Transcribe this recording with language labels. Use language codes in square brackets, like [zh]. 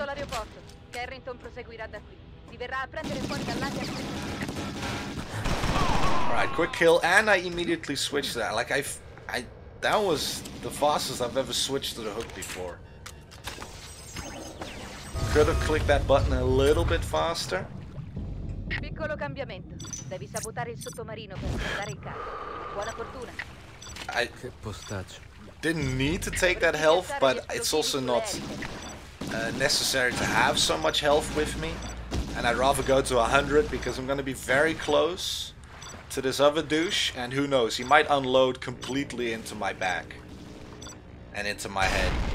[en] Alright, quick kill. And I immediately switched that. Like, that was the fastest I've ever switched to the hook before. Could have clicked that button a little bit faster. [it] Be piccolo cambiamento. Devi sabotare il sottomarino per salvare il carro. Buona fortuna. I che postaccio. [en] Didn't need to take that health, but it's also not necessary to have so much health with me. And I'd rather go to 100 because I'm gonna be very close to this other douche. And who knows, he might unload completely into my back. And into my head.